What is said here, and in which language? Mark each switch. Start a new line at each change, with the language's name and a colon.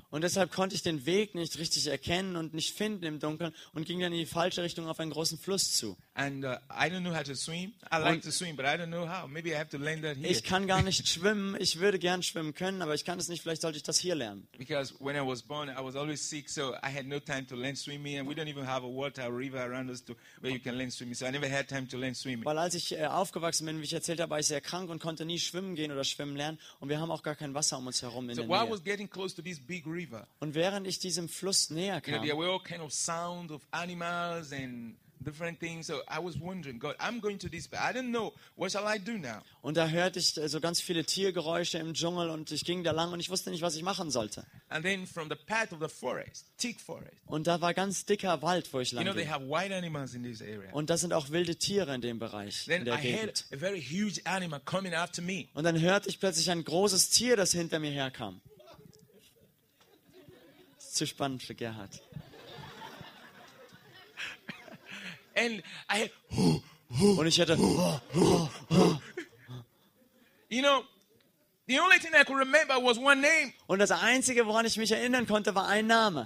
German: Und deshalb konnte ich den Weg nicht richtig erkennen und nicht finden im Dunkeln und ging dann in die falsche Richtung auf einen großen Fluss zu.
English: And I don't know how to swim. I like to swim, but I don't know how. Maybe I have to learn that here.
German: Ich kann gar nicht schwimmen. Ich würde gern schwimmen können, aber ich kann es nicht. Vielleicht sollte ich das hier lernen.
English: Because when I was born, I was always sick, so I had no time to learn swimming, and we don't even have a water river around us to where you can learn swimming. So I never had time to learn swimming.
German: Weil als ich aufgewachsen bin, wie ich erzählt habe, war ich sehr krank und konnte nie schwimmen gehen oder schwimmen lernen, und wir haben auch gar kein Wasser um uns herum in
English: so
German: der Nähe.
English: So I was getting close to this big river.
German: Und während ich diesem Fluss näher kam,
English: you know, there were all kind of sound of animals and different things, so I was wondering, God, I'm going to this, but I don't know, what shall I do now?
German: Und da hörte ich so ganz viele Tiergeräusche im Dschungel und ich ging da lang und ich wusste nicht, was ich machen sollte.
English: And then from the path of the forest, thick forest.
German: Und da war ganz dicker Wald, wo ich lang ging.
English: You know, they have wild animals in this area.
German: Und da sind auch wilde Tiere in dem Bereich,
English: then
German: in der
English: I
German: Gegend.
English: Heard a very huge animal coming after me.
German: Und dann hörte ich plötzlich ein großes Tier, das hinter mir herkam. Das ist zu spannend für Gerhard.
English: And I
German: und ich hatte
English: you know, the only thing I could remember was one name.
German: Und das einzige, woran ich mich erinnern konnte, war ein Name.